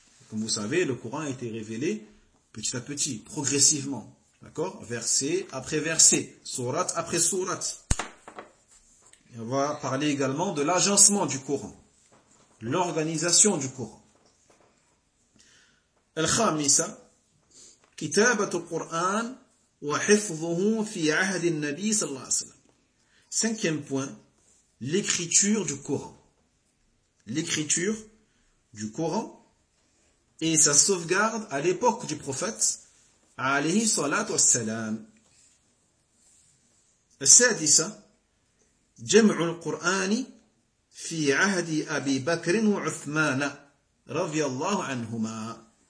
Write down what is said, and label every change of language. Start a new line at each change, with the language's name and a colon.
French: Comme vous savez, le Coran a été révélé petit à petit, progressivement. D'accord? Verset après verset, surat après surat. Et on va parler également de l'agencement du Coran, l'organisation du Coran.
Arabic: Al-Khamisa, كتابة القرآن وحفظه في عهد النبي صلى الله عليه وسلم.
French: Cinquième point, l'écriture du Coran. L'écriture du Coran et sa sauvegarde à l'époque du prophète alayhi salatu wassalam.
Arabic: السادسة, جمع القرآن في عهد أبي بكر وعثمان رضي الله عنهما.